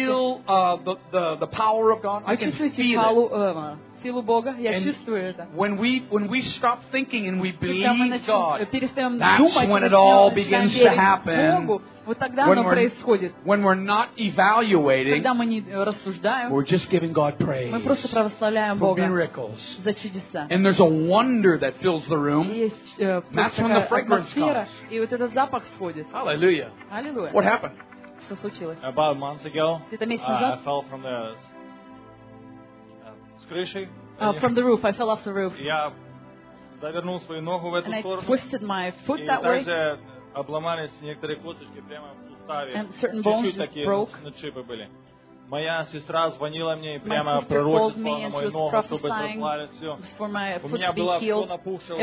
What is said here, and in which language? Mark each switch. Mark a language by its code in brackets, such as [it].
[en] Do you feel the power of God? I can feel it. [ru] Чувствуете силу силу Бога, я чувствую это. [en] When we stop thinking and we believe God, that's when it all begins to happen. [ru] Вот тогда оно происходит. [en] When we're not evaluating, [ru] когда мы не рассуждаем, [en] we're just giving God praise. [ru] Мы просто православляем Бога [en] miracles. [ru] За чудеса. [en] And there's a wonder that fills the room. [ru] Есть, [en] that's when the fragrance [ru] атмосфера, [en] comes. [ru] И вот этот запах сходит. [en] Hallelujah. Hallelujah. What happened? [ru] Что случилось? [en] About a month ago, [ru] Где-то месяц назад, [en] I fell from the [ru] с крыши. [en] From the roof. I fell off the roof. [ru] Я завернул свою ногу в эту сторону. [en] And I twisted my foot that way. [ru] Обломались некоторые косточки прямо в суставе. [en] And certain bones just broke. [ru] На чипы были. Моя сестра звонила мне и прямо пророчила на мою ногу, чтобы разломались все. У меня было все напухшее.